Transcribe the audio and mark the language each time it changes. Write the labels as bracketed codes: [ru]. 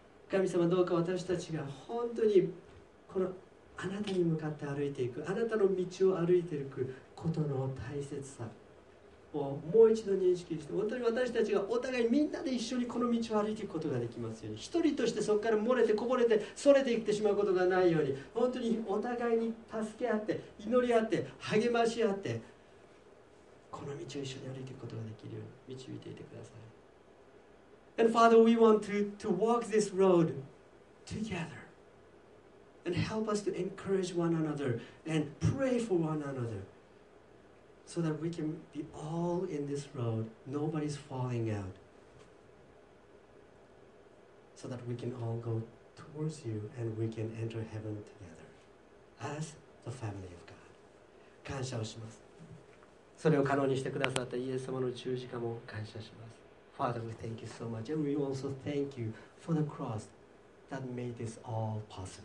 [ja] 神様、どうか私たちが本当にこのあなたに向かって歩いていく、あなたの道を歩いていくことの大切さをもう一度認識して、本当に私たちがお互いみんなで一緒にこの道を歩いていくことができますように、一人としてそこから漏れてこぼれてそれていってしまうことがないように、本当にお互いに助け合って祈り合って励まし合ってこの道を一緒に歩いていくことができるように導いていてください。 [en] And Father, we want to walk this road together and help us to encourage one another and pray for one anotherSo that we can be all in this road, nobody's falling out. So that we can all go towards you and we can enter heaven together as the family of God. [ja] 感謝をします。それを可能にしてくださったイエス様の十字架も感謝します。 [en] Father, we thank you so much. And we also thank you for the cross that made this all possible.